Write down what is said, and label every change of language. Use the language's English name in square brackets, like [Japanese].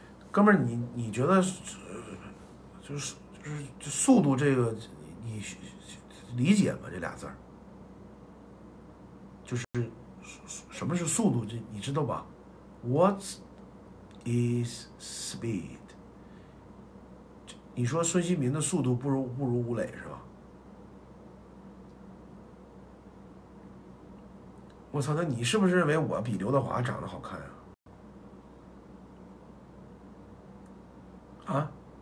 [Chinese] 哥们儿，你觉得就是速度这个你理解吗？这俩字儿，就是什么是速度？这你知道吧 ？ [English] What is speed？ [Chinese] 你说孙兴民的速度不如吴磊是吧？我操！那你是不是认为我比刘德华长得好看啊？啊？